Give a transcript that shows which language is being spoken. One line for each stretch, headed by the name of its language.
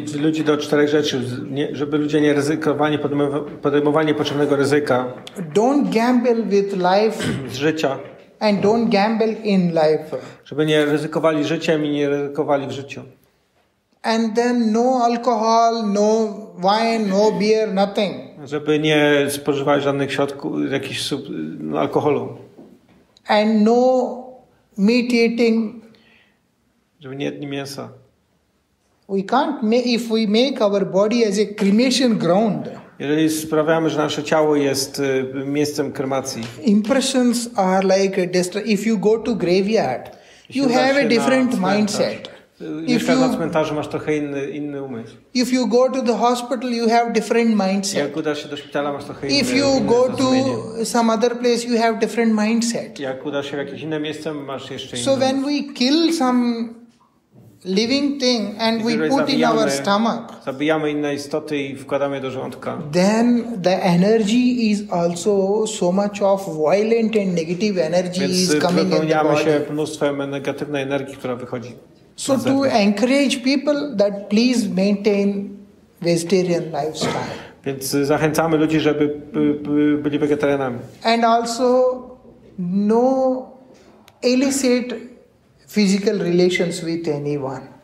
Polish: Ludzi do czterech rzeczy, żeby ludzie nie ryzykowali, podejmowali niepotrzebnego ryzyka.
English: Don't gamble with life.
Polish: Z życia.
English: And don't gamble in life.
Polish: Żeby nie ryzykowali życiem i nie ryzykowali w życiu.
English: And then no alcohol, no wine, no beer, nothing.
Polish: Żeby nie spożywać żadnych środków, jakichś alkoholu.
English: And no meat eating.
Polish: Żeby nie jedli mięsa.
English: We can't make, if we make our body as a cremation ground.
Polish: Jeżeli sprawiamy, że nasze ciało jest miejscem kremacji.
English: Impressions are like a if you go to graveyard, you have a different mindset. If you
Polish: na cmentarzu, masz trochę inny umysł.
English: If you go to the hospital, you have different mindset.
Polish: Jak udasz się do szpitala, masz trochę
English: if you go to some other place, you have different mindset.
Polish: Jak udasz się w jakieś inne miejsce, masz jeszcze inny.
English: So when we kill some living thing and we put in our stomach.
Polish: Zabijamy inne istoty i wkładamy do żołądka.
English: Then the energy is also so much of violent and negative energy
Polish: więc
English: is coming in the body.
Polish: Wypełniamy się mnóstwem negatywnej energii, która wychodzi.
English: So to encourage people that please maintain vegetarian lifestyle.
Polish: Więc zachęcamy ludzi, żeby byli wegetarianami.
English: And also no illicit physical relations with anyone.